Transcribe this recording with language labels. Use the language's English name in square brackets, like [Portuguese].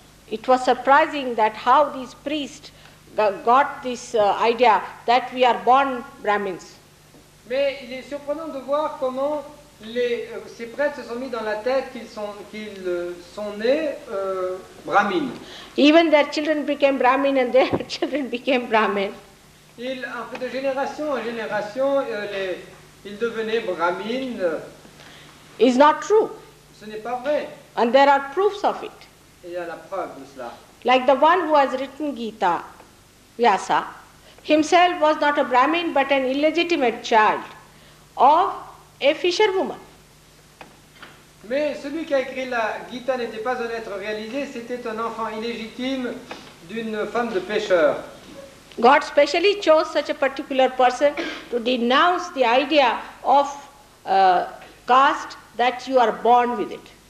[English] It was surprising that how these priests got this idea that we are born Brahmins. [French] Mais il est surprenant de voir comment ces prêtres se sont mis dans la tête qu'ils sont nés Brahmins. [English] Even their children became Brahmins and their children became Brahmins. [French] De génération en génération, ils devenaient Brahmins. [English] It's not true. [French] Ce n'est pas vrai. [English] And there are proofs of it. [French] Il y a la preuve de cela. [English] Like the one who has written Gita, Vyasa, himself was not a Brahmin but an illegitimate child of a fisherwoman. [French] Mais celui qui a écrit la Gita n'était pas un être réalisé, c'était un enfant illégitime d'une femme de pêcheur. [English] God specially chose such a particular person to denounce the idea of caste that you are born with it.